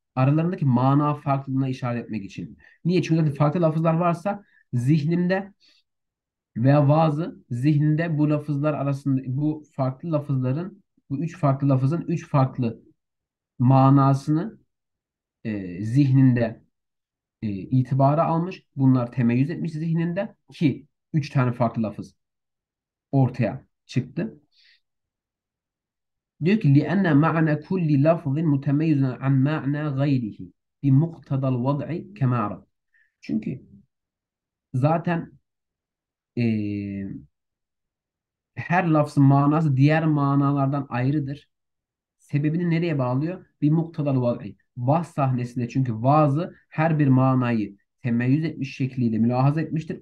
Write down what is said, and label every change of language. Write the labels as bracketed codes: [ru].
[tr] Aralarındaki mana farklılığına işaret etmek için. Niye? Çünkü farklı lafızlar varsa zihnimde veya bazı zihninde bu lafızlar arasında bu farklı lafızların bu üç farklı lafızın üç farklı manasını zihninde itibara almış. Bunlar temeyyüz etmiş zihninde ki üç tane farklı lafız ortaya çıktı. Diyor ki [ar] لِأَنَّ مَعْنَى كُلِّ لَفْظٍ مُتَمَيِّزٌ عَنْ مَعْنَى غَيْرِهِ بِمُقْتَضَى الْوَضْعِ كَمَا عَرَفْ. [tr] Çünkü zaten her lafzın manası diğer manalardan ayrıdır. Sebebini nereye bağlıyor? Bir muktadal vaz'i. Vaz sahnesinde çünkü vaazı her bir manayı temeyyüz etmiş şekliyle mülahaza etmiştir.